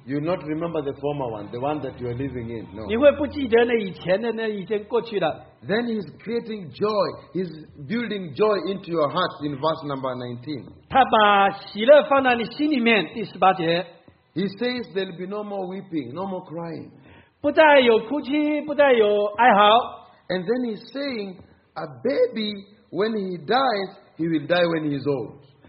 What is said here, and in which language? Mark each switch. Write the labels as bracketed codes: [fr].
[en] You not remember the former one, the one that you are living in. No. [zh] 你会不记得那以前的那已经过去了。 [en] Then he's creating joy. He's building joy into your heart in verse number 19. [zh] 他把喜乐放在你心里面，第十八节。 [en] He says there'll be no more weeping, no more crying. [zh] 不再有哭泣，不再有哀嚎。 [en] And then he's saying, a baby, when he dies, he will die when he's old.